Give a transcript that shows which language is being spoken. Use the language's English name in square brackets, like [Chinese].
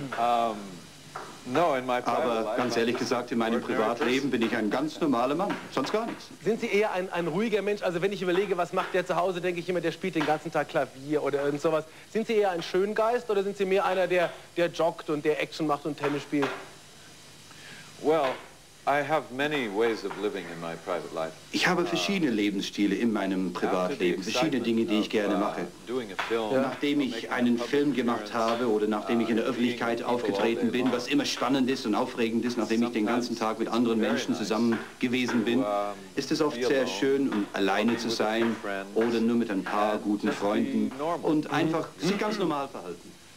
[German] Aber ganz ehrlich gesagt, in meinem Privatleben bin ich ein ganz normaler Mann, sonst gar nichts. Sind Sie eher ein ruhiger Mensch? Also wenn ich überlege, was macht der zu Hause, denke ich immer, der spielt den ganzen Tag Klavier oder irgend sowas. Sind Sie eher ein Schöngeist oder sind Sie mehr einer, der joggt und der Action macht und Tennis spielt? [English] Well, I have many ways of living in my private life. [German] Ich habe verschiedene Lebensstile in meinem Privatleben, verschiedene Dinge, die ich gerne mache. Nachdem ich einen Film gemacht habe oder nachdem ich in der Öffentlichkeit aufgetreten bin, was immer spannend ist und aufregend ist, nachdem ich den ganzen Tag mit anderen Menschen zusammen gewesen bin, ist es oft sehr schön, um alleine zu sein oder nur mit ein paar guten Freunden und einfach sich ganz normal verhalten.